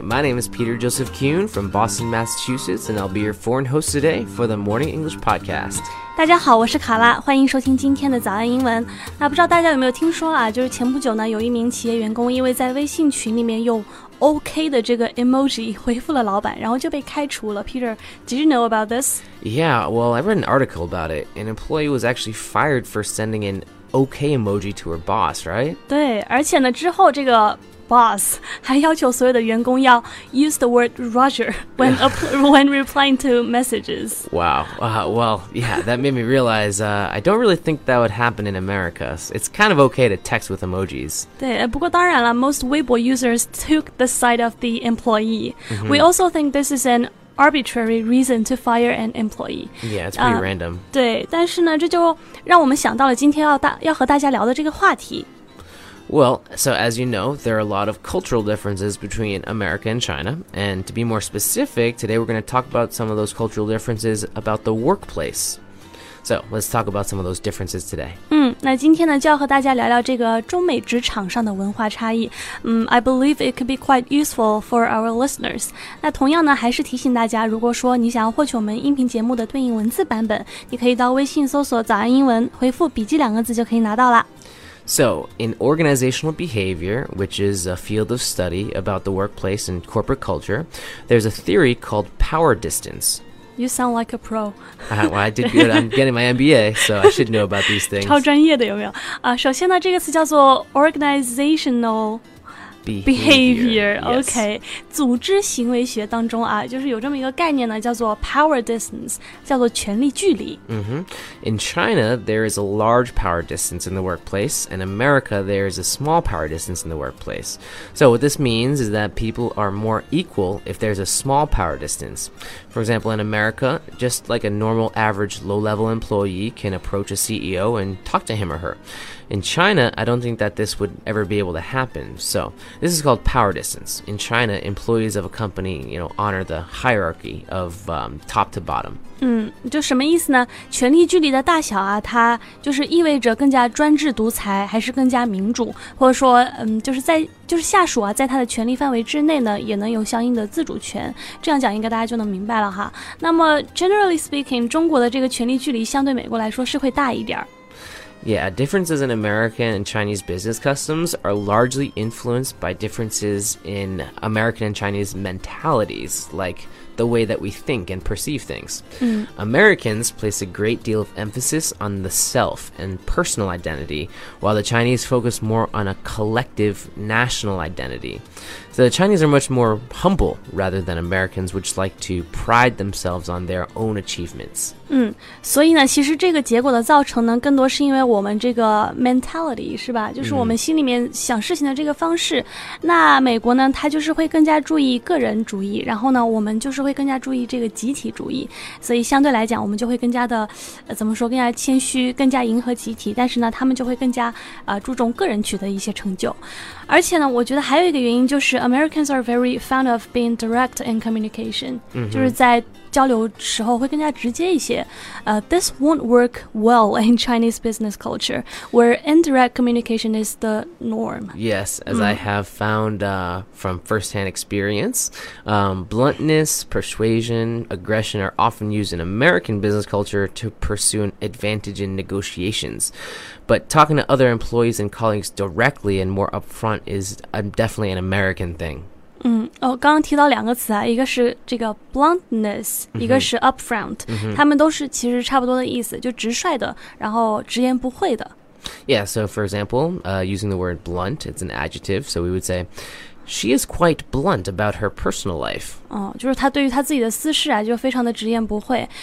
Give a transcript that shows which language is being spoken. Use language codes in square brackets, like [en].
[en] My name is Peter Joseph Kuhn from Boston, Massachusetts, and I'll be your foreign host today for the Morning English Podcast. [zh] 大家好，我是卡拉，欢迎收听今天的早安英文。那不知道大家有没有听说啊，就是前不久呢，有一名企业员工因为在微信群里面用 OK 的这个 emoji 回复了老板，然后就被开除了。 [en] Peter, did you know about this? Yeah, well, I read an article about it. An employee was actually fired for sending an OK emoji to her boss, right? [zh] 对，而且呢，之后这个Boss 还要求所有的员工要 [en] use the word Roger when replying to messages. Wow. Well, yeah, that made me realize, I don't really think that would happen in America. It's kind of okay to text with emojis. [zh] 对，不过当然了， [en] most Weibo users took the side of the employee. Mm-hmm. We also think this is an arbitrary reason to fire an employee. Yeah, it's pretty random. [zh] 对，但是呢，这就让我们想到了今天要和大家聊的这个话题。 [en] Well, so as you know, there are a lot of cultural differences between America and China. And to be more specific, today we're going to talk about some of those cultural differences about the workplace. So let's talk about some of those differences today. [zh] 那今天呢就要和大家聊聊这个中美职场上的文化差异。 [en] I believe it could be quite useful for our listeners. [zh] 那同样呢还是提醒大家，如果说你想要获取我们音频节目的对应文字版本，你可以到微信搜索早安英文，回复笔记两个字就可以拿到了。 [en] So, in organizational behavior, which is a field of study about the workplace and corporate culture, there's a theory called power distance. You sound like a pro. Well, I did good. I'm getting my MBA, so I should know about these things. [zh] 超专业的有没有？首先呢，这个词叫做 organizational [en] behavior. Yes. [zh] OK, 组织行为学当中啊，就是有这么一个概念呢，叫做 power distance, 叫做权力距离。 Mm-hmm. [en] In China, there is a large power distance in the workplace. In America, there is a small power distance in the workplace. So what this means is that people are more equal if there's a small power distance. For example, in America, just like a normal average low-level employee can approach a CEO and talk to him or her. In China, I don't think that this would ever be able to happen. So this is called power distance. In China, employees of a company, you know, honor the hierarchy of top to bottom. [zh] 就什么意思呢？权力距离的大小啊，它就是意味着更加专制独裁，还是更加民主，或者说，就是下属啊，在他的权力范围之内呢，也能有相应的自主权。这样讲应该大家就能明白了哈。那么 [en] generally speaking, [zh] 中国的这个权力距离相对美国来说是会大一点。 [en] Yeah, differences in American and Chinese business customs are largely influenced by differences in American and Chinese mentalities, like the way that we think and perceive things. Mm. Americans place a great deal of emphasis on the self and personal identity, while the Chinese focus more on a collective national identity. So the Chinese are much more humble rather than Americans, which like to pride themselves on their own achievements. [zh] 所以呢其实这个结果的造成呢更多是因为我们这个 mentality 是吧，就是我们心里面想事情的这个方式。那美国呢它就是会更加注意个人主义，然后呢我们就是会更加注意这个集体主义，所以相对来讲我们就会更加的怎么说，更加谦虚，更加迎合集体，但是呢他们就会更加注重个人取得一些成就。而且呢我觉得还有一个原因就是 [en] Americans are very fond of being direct in communication. Mm-hmm. [zh] 就是在交流时候会更加直接一些。 [en] This won't work well in Chinese business culture, where indirect communication is the norm. Yes, as I have found from firsthand experience, bluntness, persuasion, aggression are often used in American business culture to pursue an advantage in negotiations. But talking to other employees and colleagues directly and more upfront is definitely an American thing. [zh] 刚刚提到两个词啊，一个是这个 bluntness,、mm-hmm. 一个是 upfront,、 mm-hmm. 他们都是其实差不多的意思，就直率的，然后直言不讳的。 [en] Yeah, so for example, using the word blunt, it's an adjective, so we would say, she is quite blunt about her personal life. [zh] 就是她对于她自己的私事啊，就非常的直言不讳。